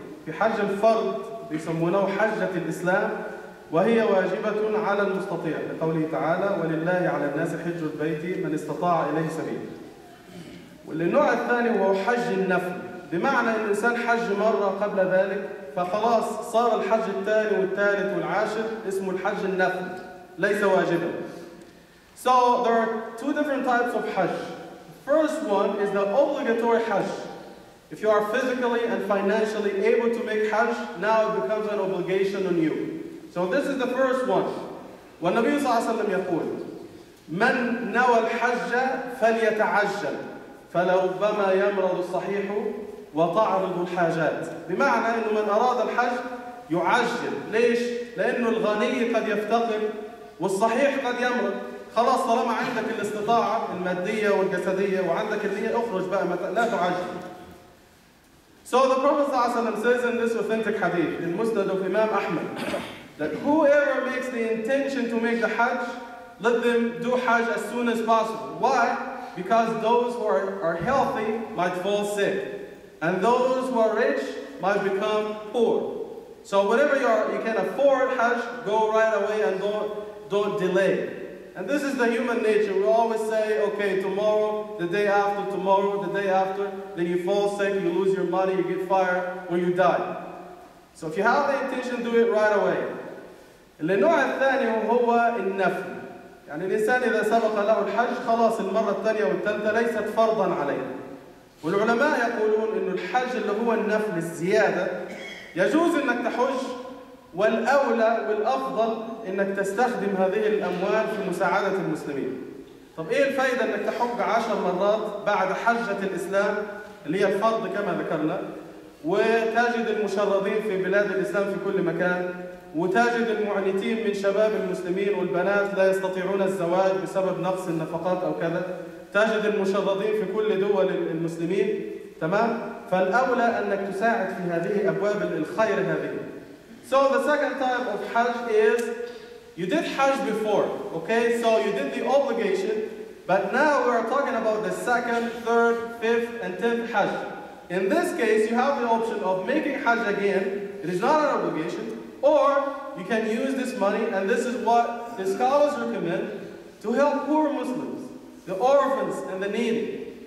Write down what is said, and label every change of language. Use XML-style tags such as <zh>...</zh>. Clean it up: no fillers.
<ar>في حج الفرض يسمونه حجة الإسلام وهي واجبة على المستطيع لقوله تعالى ولله على الناس حج البيت من استطاع إليه سبيلا. والنوع الثاني هو حج النفل، بمعنى إن الإنسان حج مرة قبل ذلك فخلاص صار الحج الثاني والثالث والعاشر اسمه الحج النفل ليس واجبا.</ar> <en>So there are two different types of Hajj. First one is the obligatory Hajj. If you are physically and financially able to make Hajj, now it becomes an obligation on you. So this is the first one.</en> <ar>والنبي صلى الله عليه وسلم يقول من نوى الحج فليتعجل فلربما يمرض الصحيح وتعرض الحاجات. بمعنى أنه من أراد الحج يعجل. ليش؟ لأنه الغني قد يفتقر والصحيح قد يمرض. خلاص طالما عندك الاستطاعة المادية والجسدية وعندك النية اخرج بقى لا تعجل.</ar> <en>So the Prophet ﷺ says in this authentic hadith, in Musnad of Imam Ahmad, that whoever makes the intention to make the Hajj, let them do Hajj as soon as possible. Why? Because those who are healthy might fall sick, and those who are rich might become poor. So whenever you can afford Hajj, go right away and don't delay. And this is the human nature. We always say, okay, tomorrow, the day after, tomorrow, the day after. Then you fall sick, you lose your money, you get fired, or you die. So if you have the intention, do it right away.</en> <ar>النوع الثاني هو النفل. يعني الإنسان إذا سبق له الحج خلاص المرة الثانية والثالثة ليست فرضا عليه. والعلماء يقولون إن الحج اللي هو النفل الزيادة يجوز إنك تحج. والأولى والأفضل إنك تستخدم هذه الأموال في مساعدة المسلمين. طب إيه الفائدة إنك تحج 10 مرات بعد حجة الإسلام اللي هي الفرض كما ذكرنا، وتجد المشردين في بلاد الإسلام في كل مكان، وتجد المعنتين من شباب المسلمين والبنات لا يستطيعون الزواج بسبب نقص النفقات أو كذا، تجد المشردين في كل دول المسلمين، تمام؟ فالأولى إنك تساعد في هذه أبواب الخير هذه.</ar> <en>So the second type of Hajj is, you did Hajj before, okay? So you did the obligation, but now we are talking about the second, third, fifth, and tenth Hajj. In this case, you have the option of making Hajj again, it is not an obligation, or you can use this money, and this is what the scholars recommend, to help poor Muslims, the orphans, and the needy.</en>